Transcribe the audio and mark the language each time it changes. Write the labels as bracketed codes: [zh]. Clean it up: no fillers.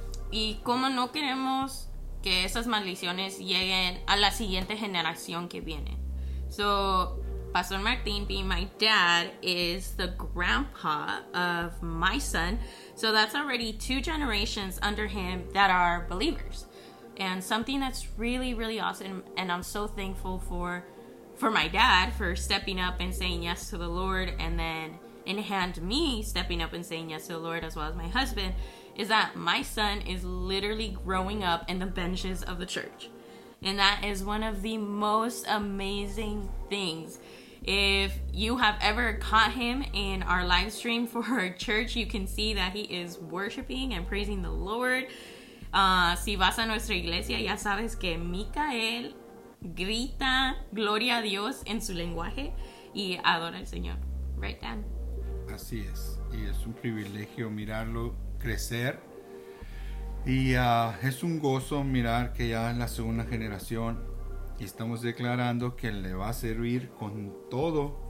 [es] Y como no queremos que esas maldiciones lleguen a la siguiente generación que viene. [en] So, Pastor Martin, being my dad, is the grandpa of my son. So that's already two generations under him that are believers. And something that's really, really awesome, and I'm so thankful for my dad for stepping up and saying yes to the Lord, and then in hand me stepping up and saying yes to the Lord, as well as my husband, is that my son is literally growing up in the benches of the church. And that is one of the most amazing things. If you have ever caught him in our live stream for our church, you can see that he is worshiping and praising the Lord. [es] Si vas a nuestra iglesia, ya sabes que Micael grita gloria a Dios en su lenguaje y adora al Señor. [en] Right, Dan? [es] Así es. Y es un privilegio mirarlo crecer. Y es un gozo mirar que ya es la segunda generación y estamos declarando que le va a servir con todo.